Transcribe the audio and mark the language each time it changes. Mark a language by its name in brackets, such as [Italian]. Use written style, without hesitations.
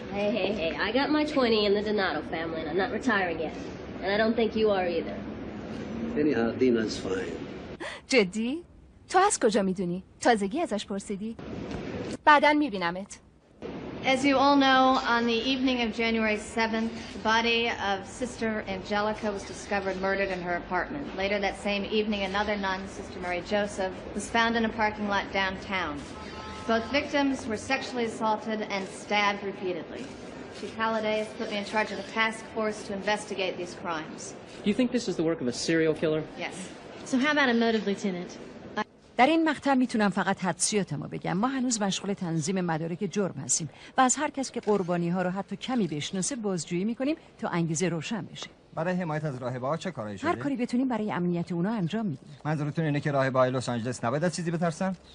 [English] Hey, I got my 20 in the Donato family and I'm not retiring yet. And I don't think you are either. Anyhow, Dina's fine. [Persian] جدی؟ تو از کجا میدونی؟ تازگی ازش پرسیدی؟ بعدن میبینمت. [English] As you all know, on the evening of January 7th, the body of Sister Angelica was discovered murdered in her apartment. Later that same evening, another nun, Sister Mary Joseph, was found in a parking lot downtown. Both victims were sexually assaulted and stabbed repeatedly. Chief Halliday has put me in charge of the task force to investigate these crimes. Do you think this is the work of a serial killer? Yes. So how about a motive, Lieutenant? [Persian] در این مقطع میتونم فقط حدسیاتمو بگم. ما هنوز مشغول تنظیم مدارک جرم هستیم و از هر کس که قربانی ها رو حتی کمی بشناسه بازجویی میکنیم تا انگیزه روشن بشه. برای حمایت از راهبه ها چه کارایی شده؟ هر کاری بتونیم برای امنیت اونا انجام میدیم. منظورتون اینه که راهبه های لس آنجلس نباید از چیزی بترسن؟